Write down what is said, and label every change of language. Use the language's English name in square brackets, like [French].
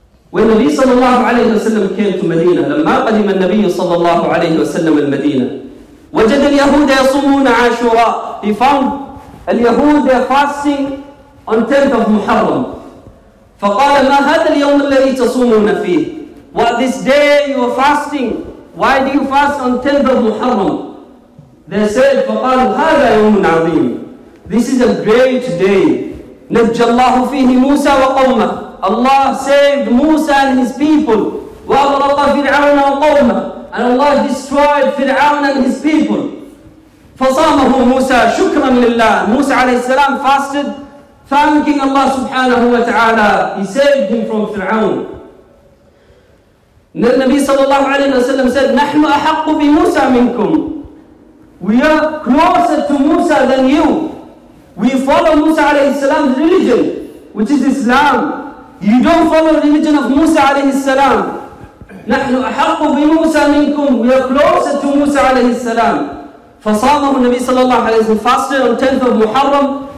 [English] When Nabi sallallahu alayhi wa sallam came to Medina, [Arabic] لما قدم النبي صلى الله عليه وسلم المدينة وجد اليهود يصومون عاشوراء. [English] He found اليهود fasting on 10th of Muharram. [Arabic] فقال ما هذا اليوم الذي تصومون فيه. [English] What this day you are fasting? Why do you fast on 10th of Muharram? They said, [Arabic] فقال هذا يوم عظيم. [English] This is a great day. [Arabic] نَجَّلَّهُ فِيهِ مُوسَى وَقَوْمَهُ. [English] Allah saved Musa and his people. [Arabic] وَأَغْرَقَ فِرْعَوْنَ وَقَوْمَهُ. [English] And Allah destroyed Fir'aun and his people. [Arabic] فَصَامَهُ مُوسَى شُكْرًا لِلَّهِ. [English] Musa alayhi salam fasted, thanking Allah subhanahu wa ta'ala. He saved him from Fir'aun. [Arabic] النبي صلى الله عليه وسلم [English] said, [Arabic] نَحْنُ أَحَقُّ بِمُوسَى مِنْكُمْ. [English] We are closer to Musa than you. We follow Musa alayhi salam's religion, which is Islam. You don't follow the religion of Musa alayhi salam. [Arabic] نَحْنُ أَحَقُّ بِمُوسَى مِنْكُمْ. [English] We are closer to Musa alayhi salam. [Arabic] فَصَامَهُ النَّبِي صلى الله عليه وسلم [English] fasted on 10th of Muharram.